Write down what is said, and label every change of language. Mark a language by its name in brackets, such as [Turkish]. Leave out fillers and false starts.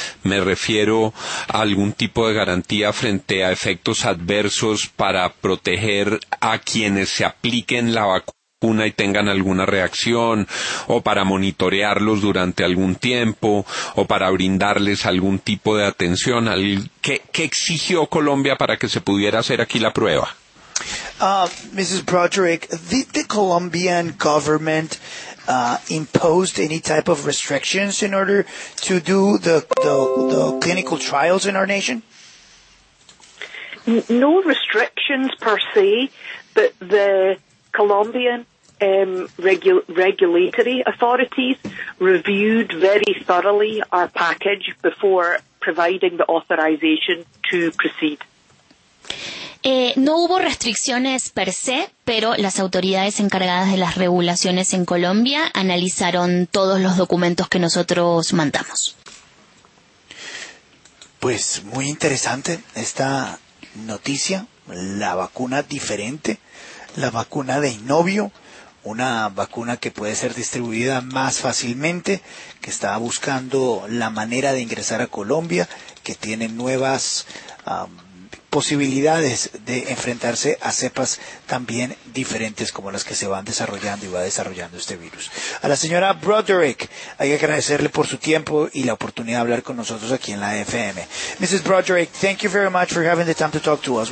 [Spanish] Me refiero a algún tipo de garantía frente a efectos adversos para proteger a quienes se apliquen la vacuna y tengan alguna reacción, o para monitorearlos durante algún tiempo, o para brindarles algún tipo de atención. ¿Qué exigió Colombia para que se pudiera hacer aquí la prueba? [English] Mrs. Broderick, did the Colombian government impose any type of restrictions in order to do the clinical trials in our nation? No restrictions per se, but the Colombian regulatory authorities reviewed very thoroughly our package before providing the authorization to proceed. [Spanish] No hubo restricciones per se, pero las autoridades encargadas de las regulaciones en Colombia analizaron todos los documentos que nosotros mandamos. Pues muy interesante esta noticia, la vacuna diferente, la vacuna de Inovio, una vacuna que puede ser distribuida más fácilmente, que está buscando la manera de ingresar a Colombia, que tiene nuevas posibilidades de enfrentarse a cepas también diferentes como las que se van desarrollando y va desarrollando este virus. A la señora Broderick, hay que agradecerle por su tiempo y la oportunidad de hablar con nosotros aquí en la FM. [English] Mrs. Broderick, thank you very much for having the time to talk to us.